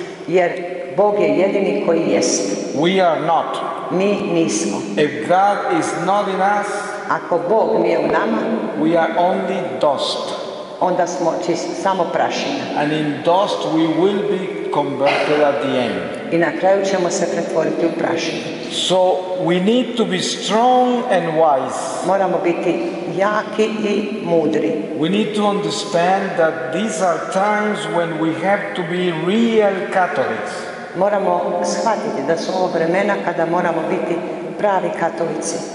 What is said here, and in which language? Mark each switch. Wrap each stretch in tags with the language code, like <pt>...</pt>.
<hr>Jer Bog je jedini koji jest.</hr> <en>We are not.</en> <hr>Mi nismo.</hr> <en>If God is not in us,</en> <hr>ako Bog nije u nama,</hr> <en>we are only dust.</en> <hr>Onda smo samo prašina.</hr> <en>And in dust we will be converted at the end.</en> <hr>I na kraju ćemo se pretvoriti u prašinu.</hr> <en>So we need to be strong and wise.</en> <hr>Moramo biti jaki i mudri.</hr> <en>We need to understand that these are times when we have to be real Catholics.</en> <hr>Moramo shvatiti da su ovo vremena kada moramo biti pravi katolici.</hr>